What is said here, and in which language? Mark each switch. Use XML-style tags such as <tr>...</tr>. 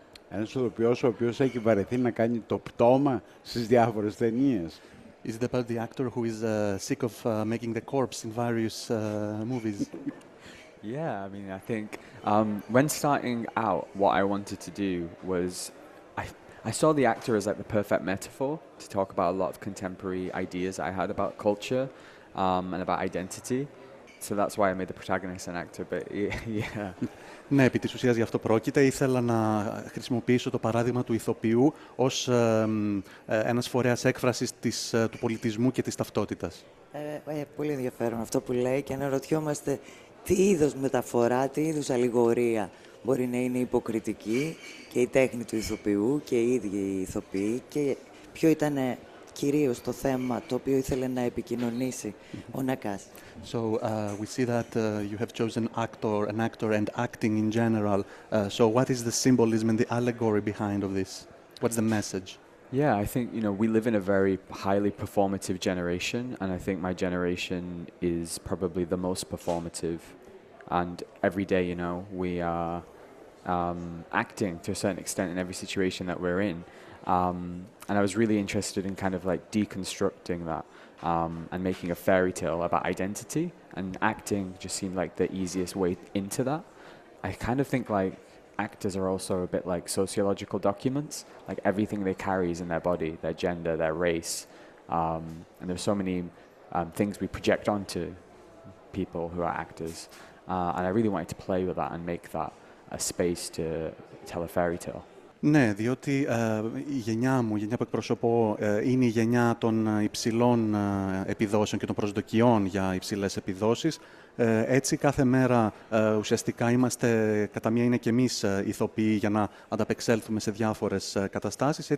<el>Ένας ηθοποιός ο οποίος έχει βαρεθεί να κάνει το πτώμα στις διάφορες ταινίες.</el> <en>Is it about the actor who is sick of making the corpse in various movies? Yeah, I mean, I think when starting out, what I wanted to do was I saw the actor as like the perfect metaphor to talk about a lot of contemporary ideas I had about culture and about identity. So that's why I made the protagonist an actor, but yeah.</en> <el>Ναι, επί της ουσίας γι' αυτό πρόκειται. Ήθελα να χρησιμοποιήσω το παράδειγμα του ηθοποιού ως ένας φορέας έκφρασης του πολιτισμού και της ταυτότητας. Πολύ ενδιαφέρον αυτό που λέει και αναρωτιόμαστε τι είδος μεταφορά, τι είδους αλληγορία μπορεί να είναι υποκριτική και η τέχνη του ηθοποιού και οι ίδιοι οι ηθοποιοί και ποιο ήταν κυρίως το θέμα το οποίο ήθελε να επικοινωνήσει ο Νακάς.</el> <en>So we see that you have chosen an actor and acting in general. So what is the symbolism and the allegory behind of this? What's the message? Yeah, I think, you know, we live in a very highly performative generation, and I think my generation is probably the most performative. And every day, you know, we are acting to a certain extent in every situation that we're in. And I was really interested in kind of like deconstructing that and making a fairy tale about identity, and acting just seemed like the easiest way into that. I kind of think like actors are also a bit like sociological documents, like everything they carry is in their body, their gender, their race, and there's so many things we project onto people who are actors, and I really wanted to play with that and make that a space to tell a fairy tale.</en> <el>Ναι, διότι η γενιά μου, η γενιά που εκπροσωπώ, είναι η γενιά των υψηλών επιδόσεων και των προσδοκιών για υψηλές επιδόσεις. Έτσι, κάθε μέρα ουσιαστικά είμαστε, κατά μία είναι και εμείς ηθοποιοί για να ανταπεξέλθουμε σε διάφορες καταστάσεις.</el>